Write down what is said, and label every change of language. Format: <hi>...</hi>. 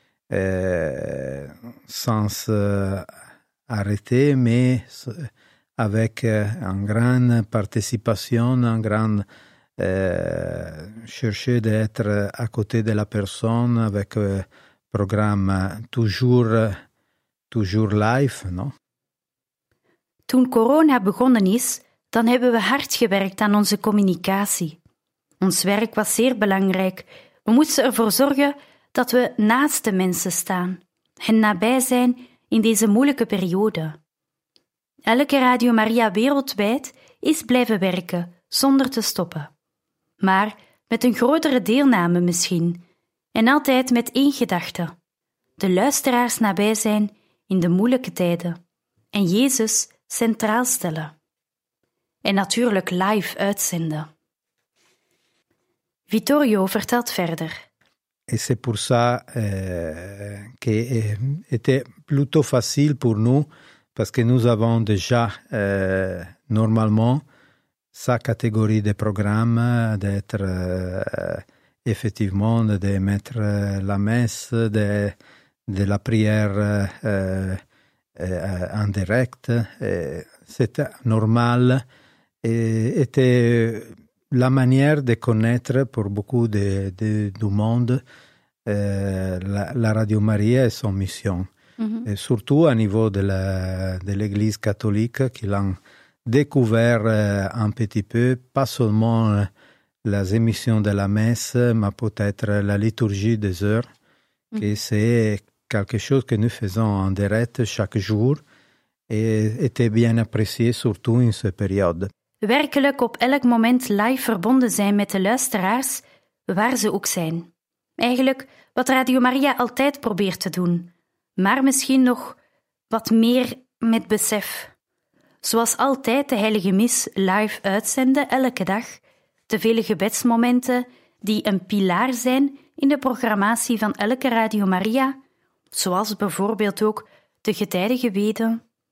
<fr>sans arrêter, mais avec une grande participation, un grand chercher d'être à côté de la personne avec un programme toujours live, non?</fr> <nl>Toen corona begonnen is, dan hebben we hard gewerkt aan onze communicatie. Ons werk was zeer belangrijk. We moesten ervoor zorgen dat we naast de mensen staan, hen nabij zijn in deze moeilijke periode. Elke Radio Maria wereldwijd is blijven werken, zonder te stoppen. Maar met een grotere deelname misschien, en altijd met één gedachte. De luisteraars nabij zijn in de moeilijke tijden, en Jezus centraal stellen. En natuurlijk live uitzenden. Vittorio vertelt verder.</nl> <fr>Et c'est pour ça que était plutôt facile pour nous, parce que nous avons déjà normalement sa catégorie de programme d'être effectivement de mettre la messe, de la prière en direct. C'est normal. Était la manière de connaître pour beaucoup du monde. La Radio Maria et son mission, mm-hmm. et surtout au niveau de l'Église catholique qui l'ont découvert un petit peu, pas seulement les émissions de la messe, mais peut-être la liturgie des heures, mm-hmm. que c'est quelque chose que nous faisons en direct chaque jour et était bien apprécié surtout en cette période.</fr> <nl>Werkelijk op elk moment live verbonden zijn met de luisteraars, waar ze ook zijn. Eigenlijk wat Radio Maria altijd probeert te doen, maar misschien nog wat meer met besef. Zoals altijd de Heilige Mis live uitzenden, elke dag, de vele gebedsmomenten die een pilaar zijn in de programmatie van elke Radio Maria, zoals bijvoorbeeld ook de getijdengebeden.</nl>